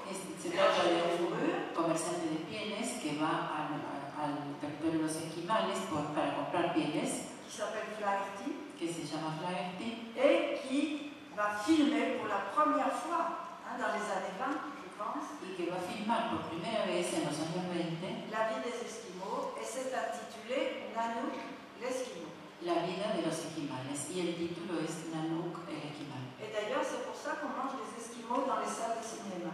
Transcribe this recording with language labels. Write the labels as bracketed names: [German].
[Spanish] Se trata de un comerciante de pieles que va al territorio de los esquimales para comprar pieles. [French] Qui s'appelle Flaherty. [Spanish] Que se llama Flaherty. [French] Et qui va filmer pour la première fois dans les années 20. [Spanish] Y que va a filmar por primera vez en los años 20 [French] La vie des Esquimaux et c'est intitulé Nanook l'Esquimau. [Spanish] La vida de los esquimales y el título es Nanook el Esquimal. [French] Et d'ailleurs c'est pour ça qu'on mange les Esquimaux dans les salles de cinéma.